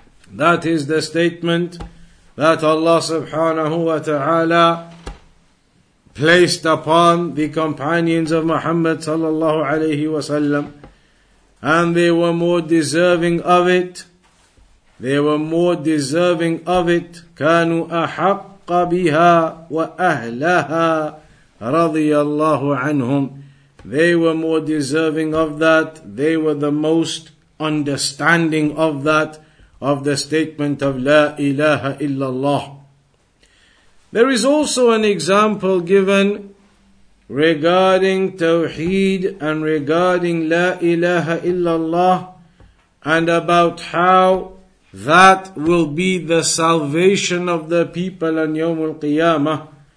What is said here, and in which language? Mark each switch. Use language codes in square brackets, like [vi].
[en] That is the statement that Allah subhanahu wa ta'ala placed upon the companions of Muhammad sallallahu alayhi wa sallam, and they were more deserving of it. They were more deserving of it. [ar] كَانُوا أَحَقُّ بها وأهلها رضي الله عنهم. [en] They were more deserving of that. They were the most understanding of that, of the statement of La ilaha illallah. There is also an example given regarding Tawheed and regarding La ilaha illallah, and about how that will be the salvation of the people on Yawmul Qiyamah.